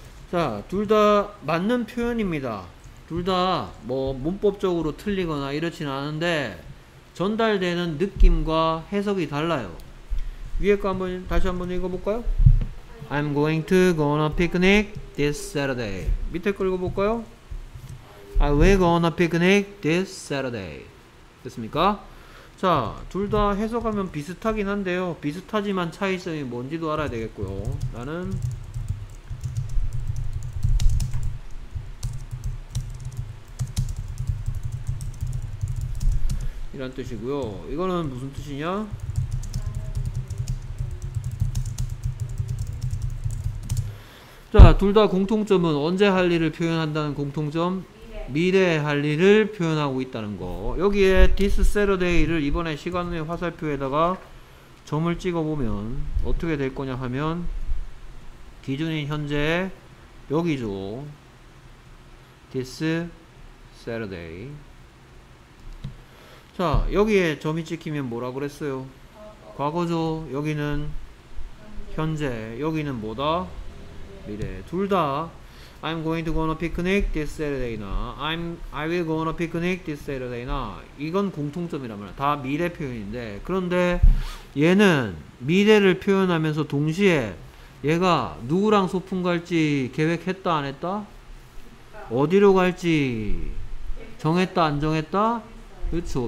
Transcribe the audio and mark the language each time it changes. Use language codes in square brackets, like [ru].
[ko] 자, 둘 다 맞는 표현입니다. 둘 다 뭐 문법적으로 틀리거나 이렇진 않은데 전달되는 느낌과 해석이 달라요. 위에 거 한번 다시 한번 읽어볼까요? [en] I'm going to go on a picnic this Saturday. [ko] 밑에 거 읽어볼까요? [en] I will go on a picnic this Saturday. [ko] 됐습니까? 자, 둘 다 해석하면 비슷하긴 한데요. 비슷하지만 차이점이 뭔지도 알아야 되겠고요. 나는 이란 뜻이고요. 이거는 무슨 뜻이냐? 자, 둘 다 공통점은 언제 할 일을 표현한다는 공통점? 미래에 할 일을 표현하고 있다는 거. 여기에 [en] This Saturday [ko] 를 이번에 시간의 화살표에다가 점을 찍어보면 어떻게 될 거냐 하면 기준인 현재 여기죠. [en] This Saturday. [ko] 자, 여기에 점이 찍히면 뭐라 그랬어요? 과거죠. 여기는 현재. 여기는 뭐다? 미래. 둘 다 [en] I'm going to go on a picnic this Saturday. I will go on a picnic this Saturday. [ko] 이건 공통점이란 말이야. 다 미래 표현인데, 그런데 얘는 미래를 표현하면서 동시에 얘가 누구랑 소풍 갈지 계획했다 안 했다? 어디로 갈지 정했다 안 정했다? 그렇죠.